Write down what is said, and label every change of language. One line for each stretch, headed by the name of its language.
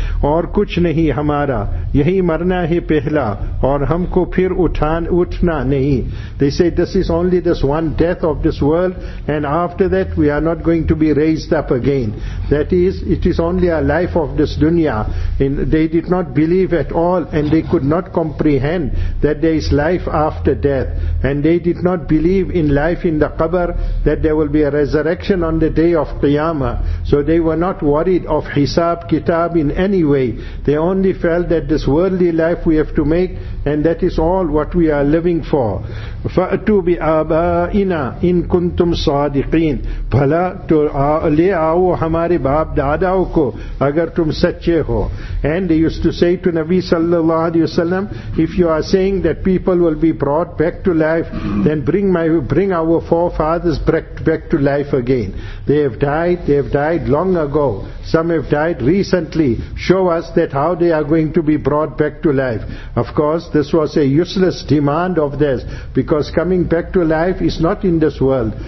Urdu: اور کچھ نہیں ہمارا, یہی مرنا ہے پہلا اور ہم کو پھر اٹھنا نہیں.
English: They say this is only this one death of this world and after that we are not going to be raised up again. That is, it is only a life of this dunya. And they did not believe at all and they could not comprehend that there is life after death. And they did not believe in life in the qabr, that there will be a resurrection on the day of qiyamah. So they were not worried of hisab kitab in any way. They only felt that this worldly life we have to make and that is all what we are living for.
Arabic: فَأْتُوا بِآبَائِنَا إِن كُنْتُمْ صَادِقِينَ.
Urdu: بھلا تو لے آؤ ہمارے باپ داداؤں کو اگر تم سچے ہو.
English: And they used to say to Nabi sallallahu alayhi wa sallam, if you are saying that people will be brought back to life, then bring our forefathers back to life again. They have They have died long ago. Some have died recently. Show us that how they are going to be brought back to life. Of course, this was a useless demand of theirs, because coming back to life is not in this world.